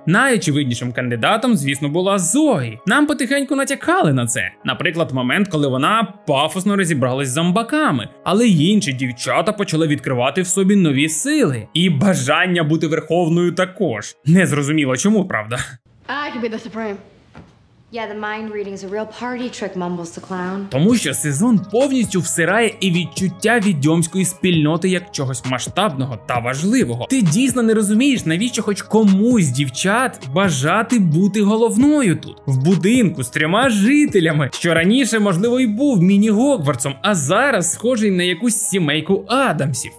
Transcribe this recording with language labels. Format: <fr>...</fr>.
<uk>Найочевиднішим кандидатом, звісно, була Зої. Нам потихеньку натякали на це. Наприклад, момент, коли вона пафосно розібралась з зомбаками. Але інші дівчата почали відкривати в собі нові сили. І бажання бути верховною також. Не зрозуміло чому, правда?</uk> <en>Yeah, the mind reading's a real party trick, mumbles the clown.</en> <uk>Тому що сезон повністю всирає і відчуття відьомської спільноти як чогось масштабного та важливого. Ти дійсно не розумієш, навіщо хоч комусь дівчат бажати бути головною тут. В будинку з трьома жителями, що раніше, можливо, і був міні-Гоґвортсом, а зараз схожий на якусь сімейку Адамсів.</uk>